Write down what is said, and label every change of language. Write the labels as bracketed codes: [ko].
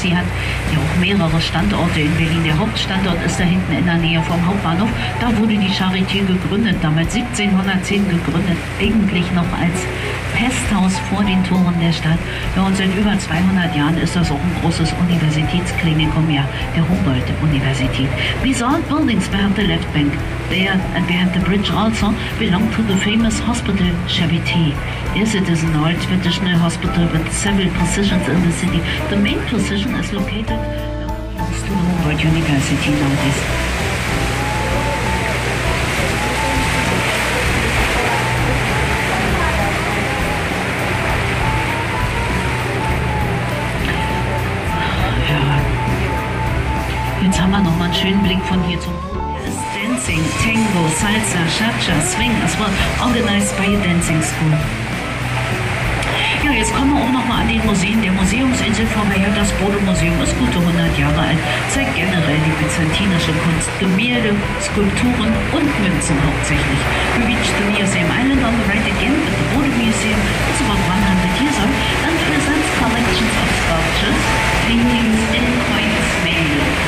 [de] Sie hat ja auch mehrere Standorte in Berlin. Der Hauptstandort ist da hinten in der Nähe vom Hauptbahnhof. Da wurde die Charité gegründet, damals 1710 gegründet, eigentlich noch als Pesthaus vor den Toren der Stadt. Ja, und seit über 200 Jahren ist das auch ein großes Universitätsklinikum, ja, der Humboldt-Universität. [en] These old buildings behind the left bank, there and behind the bridge also, belong to the famous hospital Charité. Yes, it is an old traditional hospital with several positions in the city. The main position is located close to the Humboldt University nowadays. [de] Haben wir noch mal einen schönen Blick von hier zum Boden. [en] Dancing, Tango, Salsa, Cha-Cha, Swing, as well organized by a dancing school. [de] Ja, jetzt kommen wir auch noch mal an den Museen der Museumsinsel vorbei. Ja, das Bode-Museum ist gute 100 Jahre alt, zeigt generell die byzantinische Kunst, Gemälde, Skulpturen und Münzen hauptsächlich. [en] We reach the Museum Island on the right again at the Bode-Museum. It's about 100 years old and presents collections of sculptures, paintings and coins mainly.